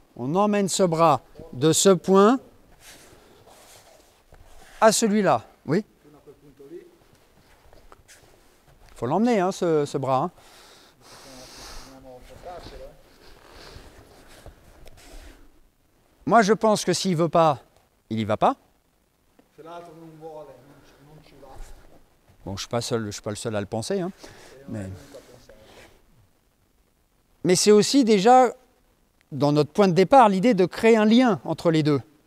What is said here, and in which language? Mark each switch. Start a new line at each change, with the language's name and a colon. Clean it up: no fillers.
French: On emmène ce bras de ce point à celui-là. Oui. Il faut l'emmener, hein, ce bras. Hein. Moi, je pense que s'il ne veut pas, il n'y va pas.
Italian: Se l'altro non vuole, non ci va.
French: Bon, je ne suis pas le seul à le penser. Hein, mais... mais c'est aussi déjà, dans notre point de départ, l'idée de créer un lien entre les deux.